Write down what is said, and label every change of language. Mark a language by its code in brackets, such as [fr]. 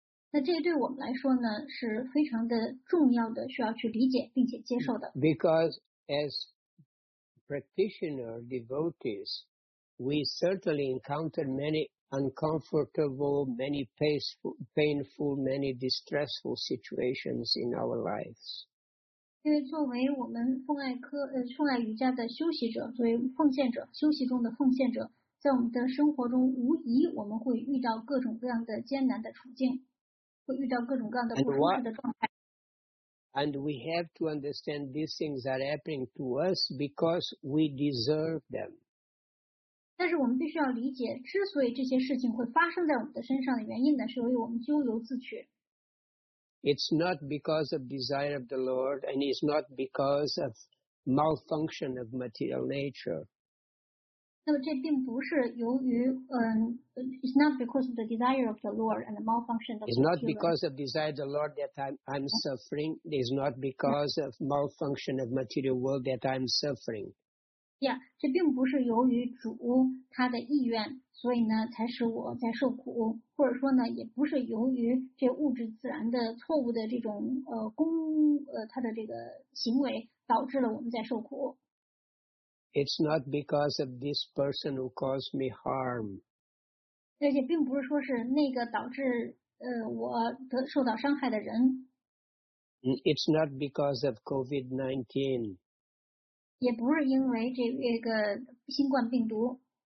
[zh] 那这对我们来说呢，是非常的重要的，需要去理解并且接受的。 [en] Because as practitioner devotees, we certainly encounter many uncomfortable, many painful, many distressful situations in our lives. [zh] 因为作为我们奉爱瑜伽的修习者，作为奉献者，修习中的奉献者，在我们的生活中，无疑我们会遇到各种各样的艰难的处境。会遇到各种各样的不舒适的状态。 [en] And we have to understand these things are happening to us because we deserve them. [zh] 但是我们必须要理解，之所以这些事情会发生在我们的身上的原因呢，是由于我们咎由自取。 [en] It's not because of desire of the Lord, and it's not because of malfunction of material nature. [zh] 那么这并不是由于 [en] it's not because of the desire of the Lord and the malfunction of the It's not because of desire of the Lord that I'm suffering. It's not because of malfunction of material world that I'm suffering. [zh] Yeah, 这并不是由于主他的意愿，所以呢才使我在受苦，或者说呢也不是由于这物质自然的错误的这种他的这个行为导致了我们在受苦。 [en] It's not because of this person who caused me harm. [zh] 而且并不是说是那个导致我得受到伤害的人。 [en] It's not because of COVID-19. [zh] 也不是因为这个新冠病毒。